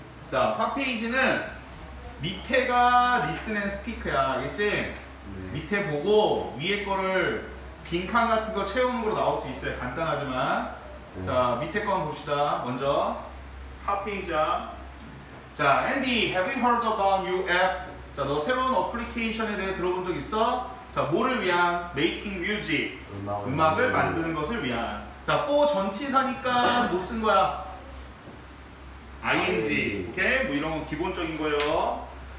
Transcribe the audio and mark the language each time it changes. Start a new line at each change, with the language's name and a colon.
Korean: 자, 4페이지는 밑에가 리슨 앤 스피크야, 알겠지? 네. 밑에 보고 위에 거를 빈칸 같은 거 채우는 거로 나올 수 있어요, 간단하지만. 네. 자, 밑에 거 한번 봅시다. 먼저 4페이지야.
English: 자, Andy, have you heard about new app?
Korean: 자, 너 새로운 어플리케이션에 대해 들어본 적 있어? 자, 뭐를 위한?
English: Making music.
Korean: 음악을 만드는 것을 위한. 자, for 전치사니까 뭐 쓴 거야? ing, 오케이? 뭐 이런 거 기본적인 거예요.